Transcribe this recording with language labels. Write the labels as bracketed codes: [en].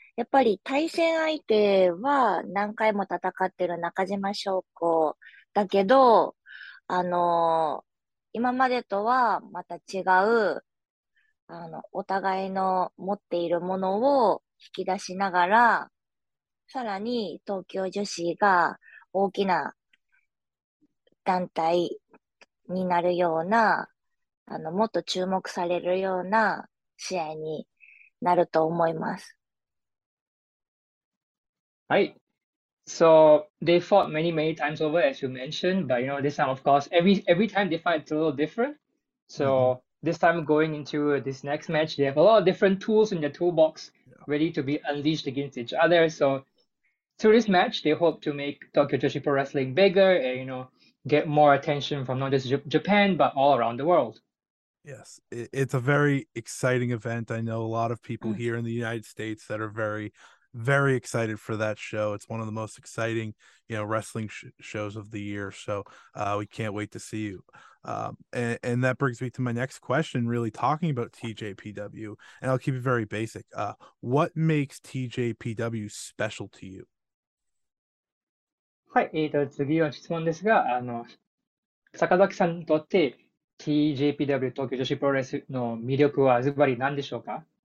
[ja] やっぱり対戦相手は何回も戦ってる中島翔子だけど、今までとはまた違う、お互いの持っているものを引き出しながら、さらに東京女子が大きな団体になるような、もっと注目されるような試合になると思います。 [en] Right. So they fought many times over, as you mentioned, but this time, of course, every time they fight, it's a little different. So this time going into this next match, they have a lot of different tools in their toolbox ready to be unleashed against each other. So through this match, they hope to make Tokyo Joshi Pro Wrestling bigger and get more attention from not just Japan, but all around the world. Yes, it's a very exciting event. I know a lot of people here in the United States that are very, very excited for that show. It's one of the most exciting, wrestling sh shows of the year. So, we can't wait to see you. And that brings me to my next question, really talking about TJPW, and I'll keep it very basic. What makes TJPW special to you? [ja] はい、次の質問ですが、坂崎さんにとって TJPW 東京女子プロレスの魅力はズバリ何でしょうか？